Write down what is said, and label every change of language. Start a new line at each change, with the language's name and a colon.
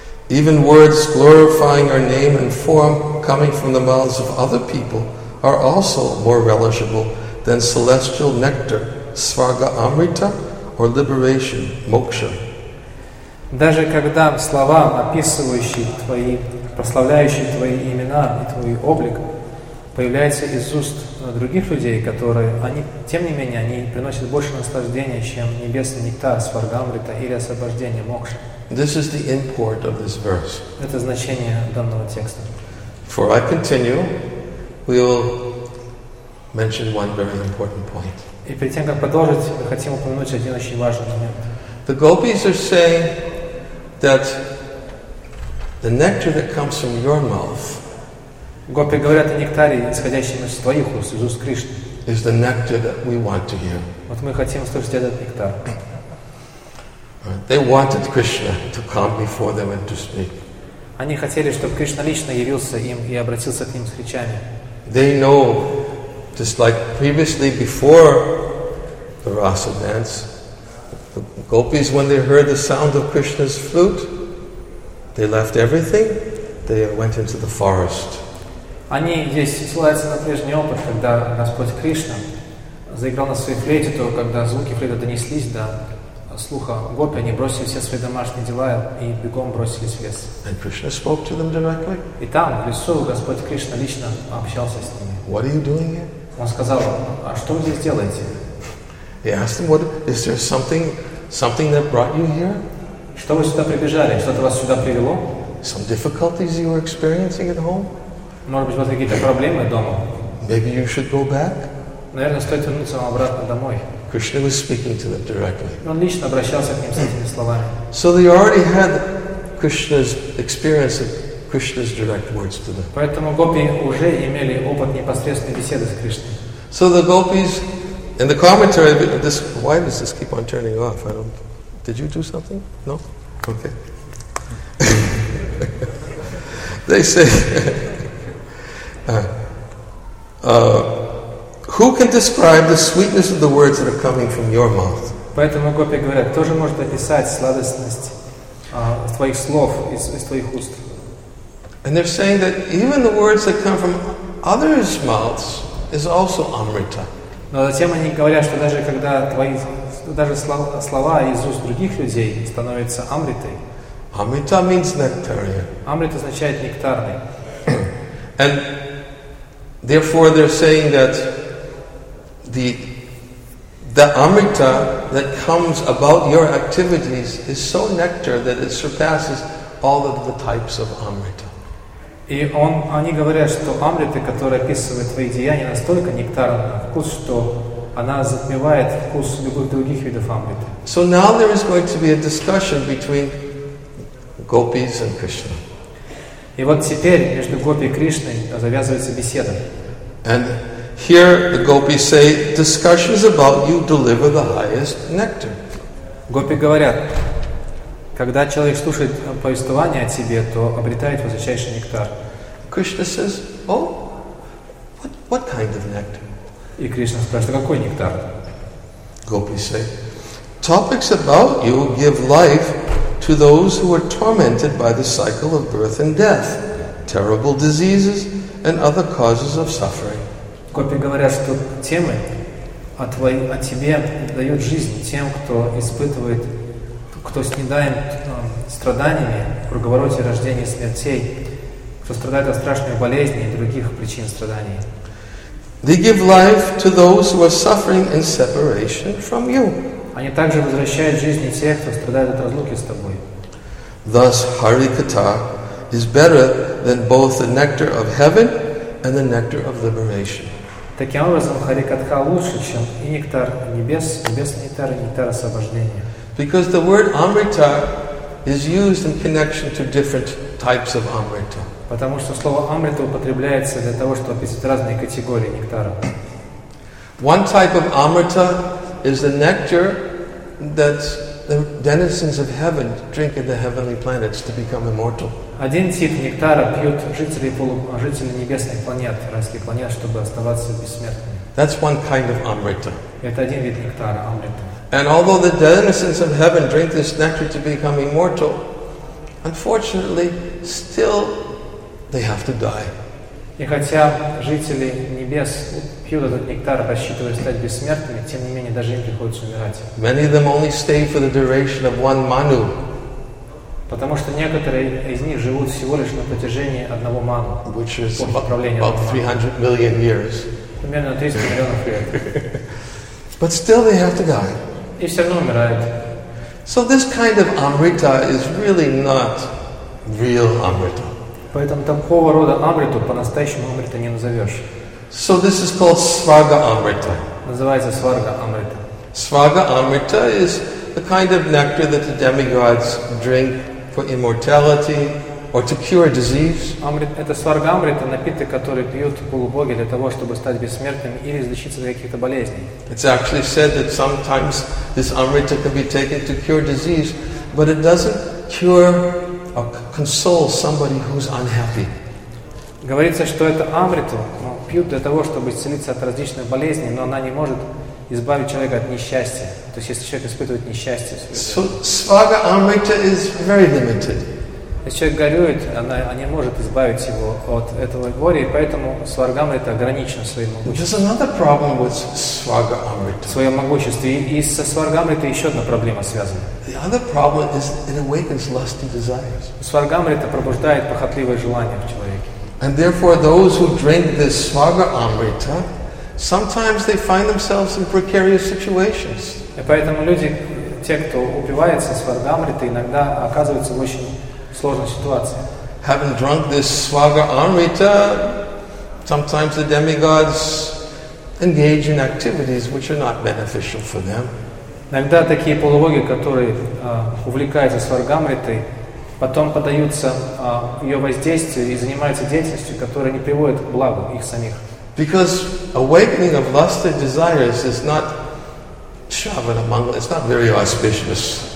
English: Even words glorifying our name and form coming from the mouths of other people are also more relishable than celestial nectar, svarga amrita, or liberation, moksha.
Russian: Даже когда слова, описывающие твои, прославляющие твои имена и твой облик, появляются из уст других людей, которые, они, тем не менее, они приносят больше наслаждения, чем небесный нектар, сварга амрита, или освобождение, мокша.
English: This is the import of this verse.
Russian: Это значение данного текста.
English: Before I continue, we will mention one very important point.
Russian: И перед тем, как продолжить, мы хотим упомянуть один очень важный момент.
English: The gopis are saying that the nectar that comes from your mouth,
Russian: Гопи говорят о нектаре, исходящем из твоих уст, из уст Кришны,
English: is the nectar that we want to hear.
Russian: Вот мы хотим слышать этот нектар.
English: They wanted Krishna to come before them and to speak.
Russian: Они хотели, чтобы Кришна лично явился им и обратился к ним с речами.
English: They know, just like previously before the rasa dance, the gopis, when they heard the sound of Krishna's flute, they left everything, they went into the forest.
Russian: Они здесь ссылаются на прежний опыт, когда Господь Кришна заиграл на своей флейте, то когда звуки флейты донеслись до слуха гопи, они бросили все свои домашние дела и бегом бросились в лес.
English: And Krishna spoke to them directly.
Russian: И там, в лесу, Господь Кришна лично общался с ними.
English: What are you doing here?
Russian: Он сказал, а что вы здесь делаете?
English: He asked them, is there something that brought you here?
Russian: Что вы сюда прибежали? Что-то вас сюда привело?
English: Some difficulties you were experiencing at home?
Russian: Может быть, у вас какие-то проблемы дома?
English: Maybe you should go back?
Russian: Наверное, стоит вернуться вам обратно домой.
English: Krishna was speaking to them directly.
Russian: Он лично обращался к ним с этими словами.
English: So they already had Krishna's experience of Krishna's direct words to them.
Russian: Поэтому гопи уже имели опыт непосредственной беседы с Кришной.
English: So the gopis, in the commentary, this, why does this keep on turning off? I don't. Did you do something? No? Okay. They say, who can describe the sweetness of the words that are coming from your mouth?
Russian: Поэтому гопи говорят, кто же может описать сладостность твоих слов из твоих уст?
English: And they're saying that even the words that come from others' mouths is also amrita.
Russian: Но затем они говорят, что даже когда твои даже слова из уст других людей становятся амритой.
English: Amrita means nectar.
Russian: Амрита означает нектарный.
English: And therefore they're saying that the amrita that comes about your activities is so nectar that it surpasses all of the types of amrita.
Russian: И они говорят, что амрита, которая описывает твои деяния, настолько нектарна, вкус, что она затмевает вкус любых других видов амриты.
English: So now there is going to be a discussion between gopis and Krishna.
Russian: И вот теперь между гопи и Кришной завязывается беседа.
English: And here the gopis say, discussions about you deliver the highest nectar.
Russian: Гопи говорят, когда человек слушает повествование о тебе, то обретает высочайший нектар.
English: Krishna says, what kind of nectar?
Russian: И Кришна спрашивает, какой нектар?
English: Gopis say, topics about you give life to those who are tormented by the cycle of birth and death, terrible diseases and other causes of suffering.
Russian: Гопи говорят, что темы о тебе дают жизнь тем, кто испытывает, кто снедаем страданиями в круговороте рождения и смертей, кто страдает от страшных болезней и других причин страданий.
English: They give life to those who are suffering in separation from you.
Russian: Они также возвращают жизни тех, кто страдает от разлуки с тобой.
English: Thus, Harikatha is better than both the nectar of heaven and the nectar of liberation.
Russian: Таким образом, Харикатха лучше, чем и нектар небес, небесный нектар и нектар освобождения.
English: Because the word amrita is used in connection to different types of amrita.
Russian: Потому что слово амрита употребляется для того, чтобы описать разные категории нектара.
English: One type of amrita is the nectar that the denizens of heaven drink of the heavenly planets to become immortal.
Russian: Один тип нектара пьют жители жители небесных планет, райских планет, чтобы оставаться бессмертными.
English: That's one kind of amrita.
Russian: Это один вид нектара амрита.
English: And although the denizens of heaven drink this nectar to become immortal, unfortunately, still they have to die.
Russian: И хотя жители небес пьют этот нектар, рассчитывая стать бессмертными, тем не менее даже им приходится умирать.
English: Many of them only stay for the duration of one manu.
Russian: Потому что некоторые из них живут всего лишь на протяжении одного ману.
English: Which is about 300 million years.
Russian: Примерно 300 миллионов лет.
English: But still they have to die.
Russian: И все равно умирают.
English: So this kind of amrita is really not real amrita.
Russian: Поэтому такого рода амриту по-настоящему амрита не назовешь.
English: So this is called svarga amrita.
Russian: Называется сварга амрита.
English: Svarga amrita is the kind of nectar that the demigods drink for immortality or to cure disease.
Russian: Это сварга амрита, напиток, который пьют полубоги для того, чтобы стать бессмертными или излечиться от каких-то болезней.
English: It's actually said that sometimes this amrita can be taken to cure disease, but it doesn't cure or console somebody who's unhappy.
Russian: Говорится, что это амриту пьют для того, чтобы исцелиться от различных болезней, но она не может избавить человека от несчастья. То есть, если человек испытывает несчастье.
English: So, svarga amrita is very limited.
Russian: Если человек горюет, она не может избавить его от этого горя, и поэтому сварга амрита ограничена своим могуществом.
English: There's another problem with svarga amrita.
Russian: Своё могущество. И со сварга амрита еще одна проблема связана.
English: The other problem is it awakens lusty desires.
Russian: Сварга амрита пробуждает похотливое желание в человеке.
English: And therefore, those who drink this svarga amrita, sometimes they find themselves in precarious situations.
Russian: И поэтому люди, те, кто упивается сварга амрита, иногда оказываются в очень сложной ситуации.
English: Having drunk this svarga amrita, sometimes the demigods engage in activities which are not beneficial for them.
Russian: Иногда такие полубоги, которые увлекаются сварга амритой, потом поддаются ее воздействию и занимаются деятельностью, которая не приводит к благу их самих.
English: Because awakening of lusty desires is not shravana mangala, it's not very auspicious.